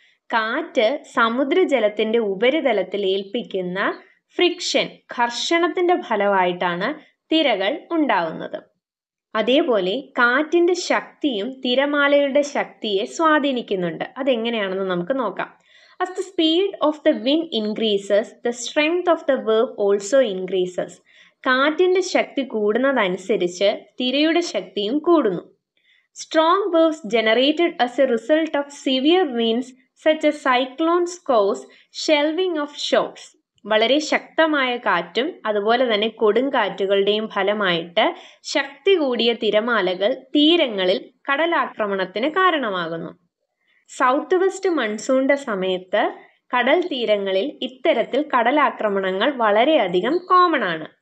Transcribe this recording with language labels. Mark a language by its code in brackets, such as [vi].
[ml] കാറ്റ് സമുദ്രജലത്തിൻ്റെ ഉപരിതലത്തിൽ ഏൽപ്പിക്കുന്ന ഫ്രിക്ഷൻ ഘർഷണത്തിൻ്റെ ഫലമായിട്ടാണ് തിരകൾ ഉണ്ടാവുന്നത്. അതേപോലെ കാറ്റിൻ്റെ ശക്തിയും തിരമാലയുടെ ശക്തിയെ സ്വാധീനിക്കുന്നുണ്ട്. അതെങ്ങനെയാണെന്ന് നമുക്ക് നോക്കാം. [en] As the speed of the wind increases, the strength of the wave also increases. [ml] കാറ്റിൻ്റെ ശക്തി കൂടുന്നതനുസരിച്ച് തിരയുടെ ശക്തിയും കൂടുന്നു. [en] Strong waves generated as a result of severe winds such as cyclones cause shelving of shores. [ml] വളരെ ശക്തമായ കാറ്റും അതുപോലെ തന്നെ കൊടുങ്കാറ്റുകളുടെയും ഫലമായിട്ട് ശക്തി കൂടിയ തിരമാലകൾ തീരങ്ങളിൽ കടലാക്രമണത്തിന് കാരണമാകുന്നു. സൗത്ത് വെസ്റ്റ് മൺസൂണിന്റെ സമയത്ത് കടൽ തീരങ്ങളിൽ ഇത്തരത്തിൽ കടലാക്രമണങ്ങൾ വളരെയധികം കോമൺ ആണ്.